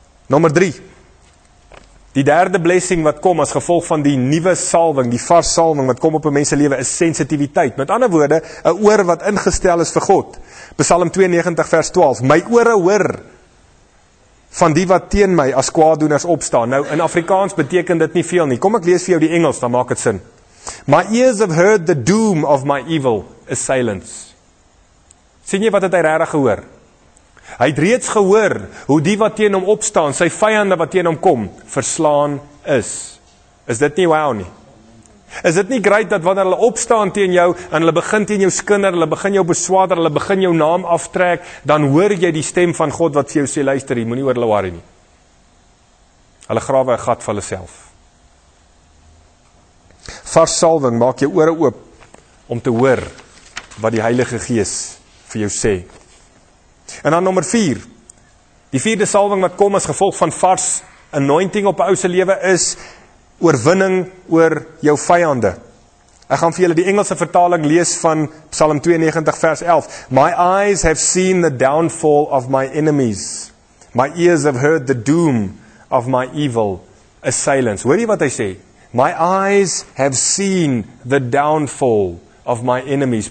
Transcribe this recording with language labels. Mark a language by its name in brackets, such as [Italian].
[Afrikaans] Nommer 3. Die derde blessing wat kom as gevolg van die nuwe salwing, die vars salwing wat kom op 'n mens se lewe, is sensitiwiteit. Met ander woorde, 'n oor wat ingestel is vir God. Psalm 92 vers 12. My ore hoor van die wat teen my as kwaaddoeners opstaan. Nou, in Afrikaans beteken dit nie veel nie. Kom ek lees vir jou die Engels, dan maak het sin. [English] My ears have heard the doom of my evil assailants. [Afrikaans] Sien jy wat het hy regtig gehoor? Hy het reeds gehoor hoe die wat teen hom opstaan, sy vyande wat teen hom kom, verslaan is. Is dit nie wow nie? Is dit nie great dat wanneer hulle opstaan teen jou, en hulle begin teen jou skinder, hulle begin jou beswader, hulle begin jou naam aftrek, dan hoor jy die stem van God wat vir jou sê, luister, jy moet nie oor hulle worry nie. Hulle grawe 'n gat vir hulle self. Vars salwing, maak jou ore oop om te hoor wat die Heilige Gees vir jou sê. En dan nommer 4. Die vierde salwing wat kom as gevolg van vars anointing op 'n ou se lewe is oorwinning oor jou vyande. Ek gaan vir julle die Engelse vertaling lees van Psalm 92 vers 11. [English] My eyes have seen the downfall of my enemies. My ears have heard the doom of my evil assailants. [Afrikaans] Hoor jy wat hy sê? [English] My eyes have seen the downfall of my enemies.